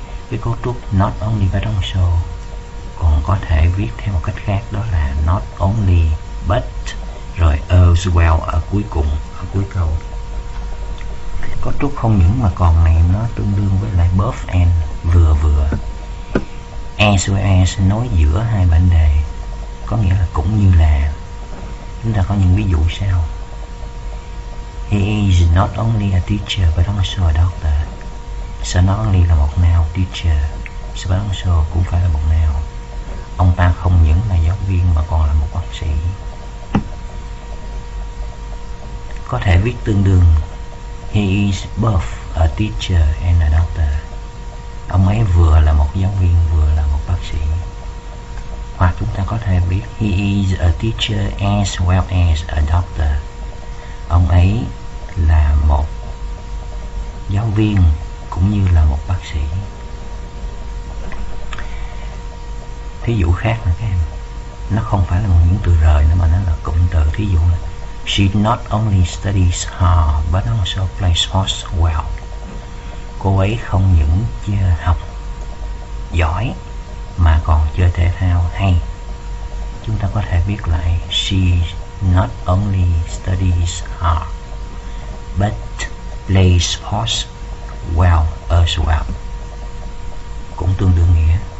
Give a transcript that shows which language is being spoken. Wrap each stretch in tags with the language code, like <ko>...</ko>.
<vi>Cái cấu trúc not only but also còn có thể viết theo một cách khác, đó là not only but rồi as well ở cuối cùng, ở cuối câu. Cấu trúc không những mà còn này nó tương đương với lại both and, vừa vừa. As well as nối giữa hai mệnh đề, có nghĩa là cũng như là. Chúng ta có những ví dụ sau.</vi> <en>He is not only a teacher but also a doctor.</en> <vi>So not only là một noun teacher, so but also cũng phải là một noun. Ông ta không những là giáo viên mà còn là một bác sĩ. Có thể viết tương đương</vi> <en>He is both a teacher and a doctor.</en> <vi>Ông ấy vừa là một giáo viên, vừa là một bác sĩ. Hoặc chúng ta có thể viết,</vi> <en>he is a teacher as well as a doctor.</en> <vi>Ông ấy là một giáo viên cũng như là một bác sĩ. Thí dụ khác nữa các em, nó không phải là một những từ rời nữa mà nó là cụm từ. Thí dụ là</vi> <en>she not only studies hard but also plays horse well.</en> <vi>Cô ấy không những học giỏi mà còn chơi thể thao hay. Chúng ta có thể viết lại</vi> <en>she not only studies hard but plays horse well as well.</en> <vi>Cũng tương đương nghĩa.</vi>